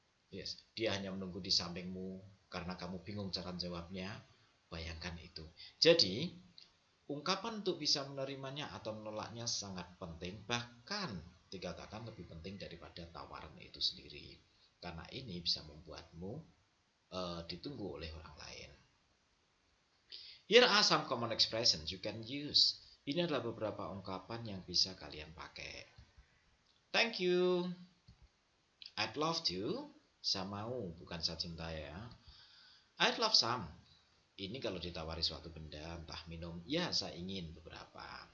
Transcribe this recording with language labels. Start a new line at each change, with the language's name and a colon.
Indonesian: Yes, dia hanya menunggu di sampingmu karena kamu bingung cara jawabnya. Bayangkan itu. Jadi, ungkapan untuk bisa menerimanya atau menolaknya sangat penting, bahkan dikatakan lebih penting daripada tawaran itu sendiri. Karena ini bisa membuatmu ditunggu oleh orang lain.
English: Here are some common expressions you can use.
Indonesian: Ini adalah beberapa ungkapan yang bisa kalian pakai.
English: Thank you. I'd love to.
Indonesian: Saya mau, bukan saya cinta ya.
English: I'd love some.
Indonesian: Ini kalau ditawari suatu benda, entah minum. Ya, saya ingin beberapa.